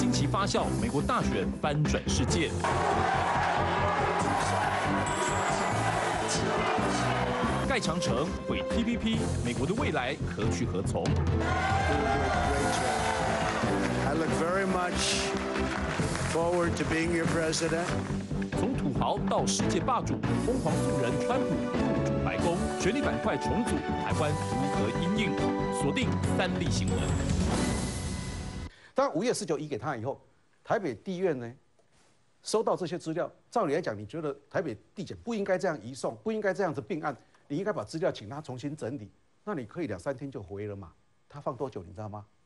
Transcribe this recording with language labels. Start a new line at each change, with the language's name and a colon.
Chinese: 发酵美国大选翻转世界，盖长城毁 TPP， 美国的未来何去何从？
English: I look very much forward to being your president。
Chinese: 从土豪到世界霸主，疯狂素人川普入主白宫，权力板块重组，台湾如何因应？锁定三立新闻。当5月19移给他以后，台北地院呢，收到这些资料，照理来讲，你觉得台北地检不应该这样移送，不应该这样子并案，你应该把资料请他重新整理，那你可以2-3天就回了嘛？他放多久你知道吗？